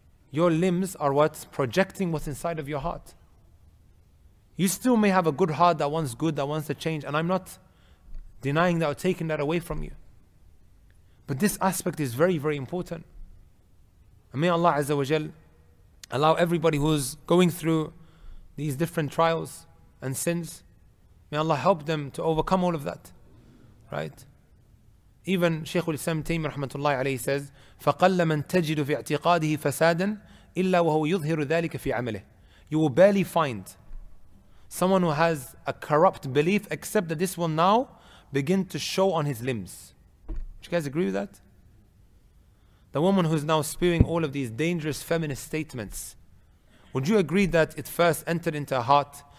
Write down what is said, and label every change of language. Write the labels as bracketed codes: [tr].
[en] Your limbs are what's projecting what's inside of your heart. You still may have a good heart that wants good, that wants to change, and I'm not denying that or taking that away from you. But this aspect is very, very important. And may Allah Azza wa Jal allow everybody who's going through these different trials and sins, may Allah help them to overcome all of that. Right? [ar] Even Shaykh al-Islam Taymi rahmatullahi alayhi says, فَقَلَّ مَن تَجِدُ فِي اعْتِقَادِهِ فَسَادًا إِلَّا وَهُوَ يُظْهِرُ ذَلِكَ فِي عَمَلِهِ. [en] You will barely find someone who has a corrupt belief, except that this will now begin to show on his limbs. Do you guys agree with that? The woman who is now spewing all of these dangerous feminist statements, would you agree that it first entered into her heart,